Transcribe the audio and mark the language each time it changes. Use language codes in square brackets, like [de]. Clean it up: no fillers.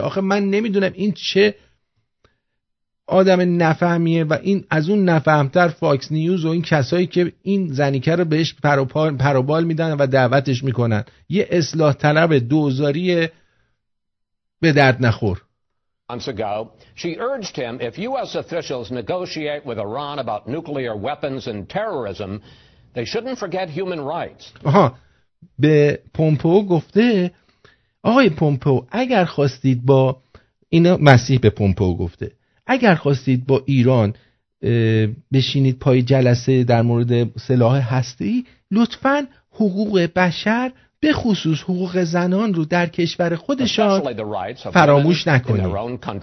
[fa] آخه من نمیدونم این چه آدم نفهمیه و این از اون نفهمتر فاکس نیوز و این کسایی که این زنیکه رو بهش پروبال میدن و دعوتش میکنن، یه اصلاح طلب دوزاریه به درد نخور. [en] Months ago, she urged him if U.S. officials negotiate with Iran about nuclear weapons and terrorism, they shouldn't forget human rights. [fa] آها، به پومپئو گفته، آقای پومپئو اگر خواستید با اینا، مسیح به پومپئو گفته، اگر خواستید با ایران بشینید پای جلسه در مورد سلاح هسته‌ای، لطفاً حقوق بشر به خصوص حقوق زنان رو در کشور خودشان فراموش نکنید.